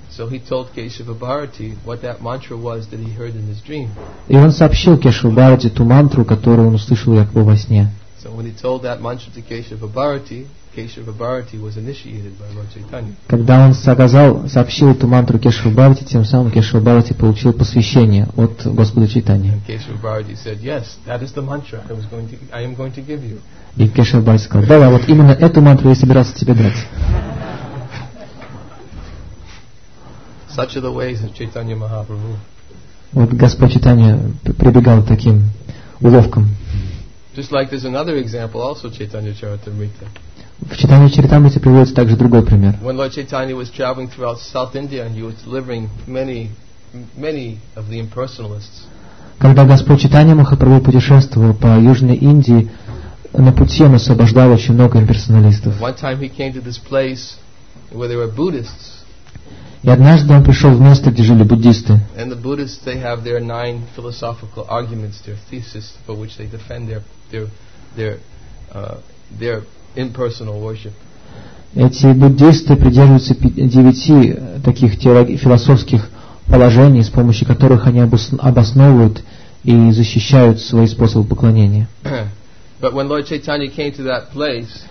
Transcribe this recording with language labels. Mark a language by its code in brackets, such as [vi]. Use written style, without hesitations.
[en] So he told Kesava Bharati what that mantra was that he heard in his dream. [ru] И он сообщил Кешава Бхарати ту мантру, которую он услышал якобы во сне. [en] So when he told that mantra to Kesava Bharati was initiated by Lord Chaitanya. [ru] Когда он сообщил эту мантру Кешава Бхарати, тем самым Кешава Бхарати получил посвящение от Господа Чайтаньи. [en] And Kesava Bharati said, "Yes, that is the mantra I am going to give you." [ru] И Кешава Бхарати сказал: "Да, вот именно эту мантру я собирался тебе дать." [en] Such are the ways of Chaitanya Mahaprabhu. [ru] Вот Господь Чайтанья прибегал к таким уловкам. [en] Just like there's another example also Chaitanya Charitamrita. [ru] В Чайтанья Чаритамрите приводится также другой пример. [en] When Lord Chaitanya was traveling throughout South India and he was delivering many of the impersonalists. [ru] Когда Господь Чайтанья Махапрабху путешествовал по Южной Индии, на пути он освобождал очень много имперсоналистов. [en] One time he came to this place where there were Buddhists. [ru] И однажды он пришел в место, где жили буддисты. [en] And the Buddhists, they have their nine philosophical arguments, their thesis for which they defend their impersonal worship. [ru] Эти буддисты придерживаются 9 таких философских положений, с помощью которых они обосновывают и защищают свои способы поклонения. [en] But when Lord Chaitanya came to that place,